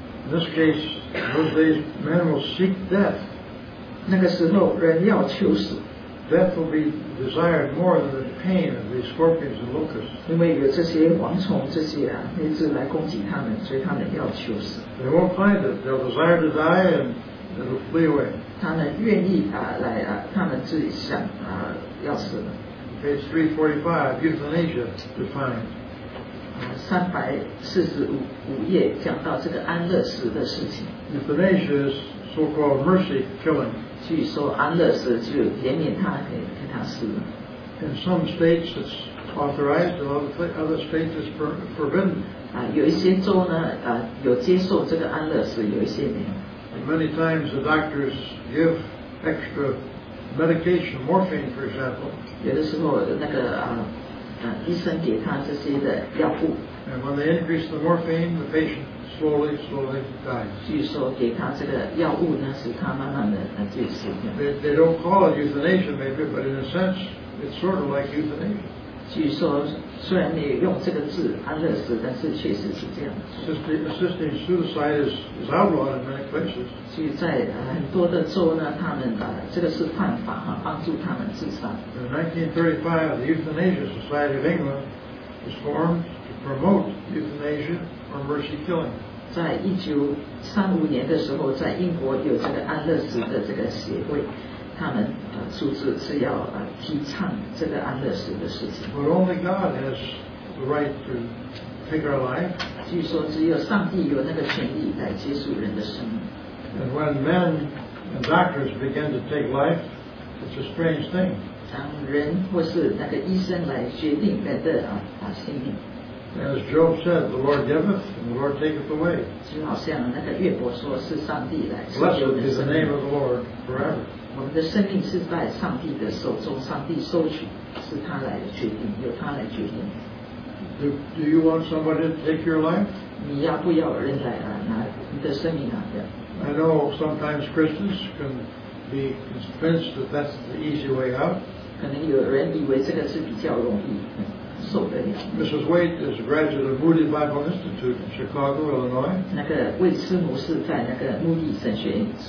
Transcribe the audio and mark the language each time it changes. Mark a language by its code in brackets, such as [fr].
[en] In this case, those days, man will seek death. [zh] 那个时候人要求死。 [en] Death will be desired more than the pain of the scorpions and locusts. [zh] 因为有这些蝗虫这些一直来攻击他们，所以他们要求死。 [en] They won't find it. They'll desire to die and it'll flee away. [zh] 他们愿意来他们自己想要死了。 [en] Page 345, euthanasia defined. [zh] 345页讲到这个安乐死的事情。 [en] Euthanasia is so-called mercy killing. [zh] 据说安乐死就怜悯他，给他死了。 [en] In some states it's authorized, in other states it's forbidden. [zh] 有一些州呢，有接受这个安乐死，有一些没有。 [en] Many times the doctors give extra medication, morphine, for example. [zh] 有的时候那个医生给他这些的药物。 [en] And when they increase the morphine, the patient slowly dies. [zh] 据说给他这个药物呢，使他慢慢的就死掉。 [en] They don't call it euthanasia, maybe, but in a sense, it's sort of like euthanasia. [zh] 据说虽然你用这个字安乐死，但是确实是这样。 [en] Assisting suicide is outlawed in many places. [zh] 所以在很多的州呢，他们这个是犯法哈，帮助他们自杀。 [en] In 1935, the Euthanasia Society of England was formed to promote euthanasia or mercy killing. [zh] 在1935年的时候，在英国有这个安乐死的这个协会。他们组织是要提倡这个安乐死的事情。 [en] But only God has the right to take our life. [zh] 据说只有上帝有那个权利来结束人的生命。 [en] And when men and doctors begin to take life, it's a strange thing. [zh] 当人或是那个医生来决定人的生命。 [en] As Job said, the Lord giveth and the Lord taketh away. [zh] 就好像那个约伯说，是上帝来。 [en] Blessed is the name of the Lord forever. [zh] 我们的生命是在上帝的手中，上帝收取，是他来决定，由他来决定。 [en] Do you want somebody to take your life? [zh] 你要不要人来啊？拿你的生命啊？Yeah. [en] I know sometimes Christians can be convinced that that's the easy way out. [zh] 可能有人以为这个是比较容易受得了。 [en] Mrs. Waite is a graduate of Moody Bible Institute in Chicago, Illinois. [zh] 那个魏斯牧师在那个穆迪神学院。